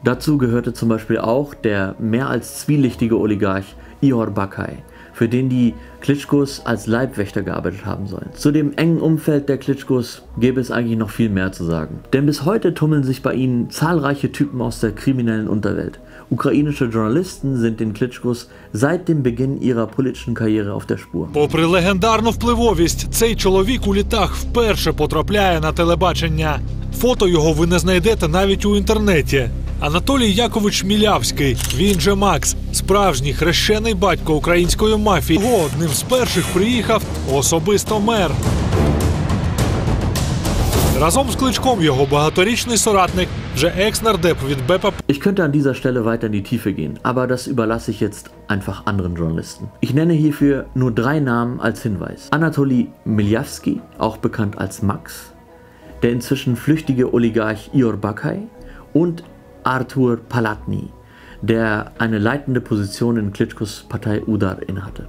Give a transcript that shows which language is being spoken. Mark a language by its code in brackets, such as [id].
[de] Dazu gehörte zum Beispiel auch der mehr als zwielichtige Oligarch Ihor Bakay, für den die Klitschkos als Leibwächter gearbeitet haben sollen. Zu dem engen Umfeld der Klitschkos gäbe es eigentlich noch viel mehr zu sagen. Denn bis heute tummeln sich bei ihnen zahlreiche Typen aus der kriminellen Unterwelt. Ukrainische Journalisten sind den Klitschkos seit dem Beginn ihrer politischen Karriere auf der Spur. [uk] Попри легендарну впливовість, цей чоловік у літах вперше потрапляє на телебачення. Фото його ви не знайдете навіть у інтернеті. Анатолій Якович Мілявський, він же Макс, справжній хрещений батько української мафії. Його одним з перших приїхав особисто мер. Разом з Кличком його багаторічний соратник, вже екс-нардеп від БПП. [de] Ich könnte an dieser Stelle weiter in die Tiefe gehen, aber das überlasse ich jetzt einfach anderen Journalisten. Ich nenne hierfür nur drei Namen als Hinweis. Anatolij Mielявський, auch bekannt als Max, der inzwischen flüchtige Oligarch Ihor Bakay und Artur Palatni, der eine leitende Position in Klitschkos Partei Udar innehatte.